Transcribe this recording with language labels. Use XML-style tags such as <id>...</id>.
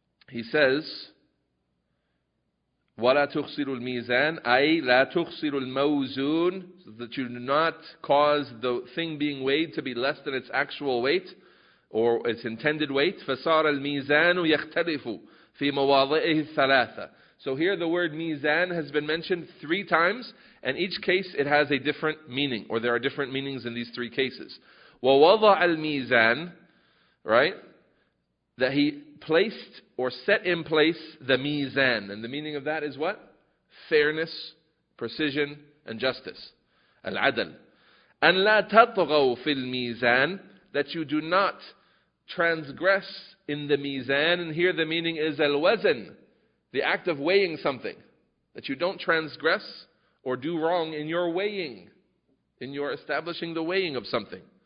<en>He says,</en> <ar>وَلَا تُخْسِرُ الْمِيزَانَ أَيْ لَا تُخْسِرُ الْمَوْزُونَ,</ar> <en>so that you do not cause the thing being weighed to be less than its actual weight or its intended weight.</en> <ar>فَصَارَ الْمِيزَانُ يَخْتَلِفُ فِي مَوَاضِئِهِ الثَّلَاثَ.</ar> <en>So here the word mizan has been mentioned three times, and each case it has a different meaning, or there are different meanings in these three cases.</en> <ar>وَوَضَعَ الْمِيزَانِ,</ar> <en>right? That he placed or set in place the mizan. And the meaning of that is what? Fairness, precision, and justice. Al-adl.</en> <ar>أَنْ لَا تَطْغَوْ فِي الْمِيزَانِ,</ar> <en>that you do not transgress in the mizan, and here the meaning is al-wazn, the act of weighing something, that you don't transgress or do wrong in your weighing, in your establishing the weighing of something.</en>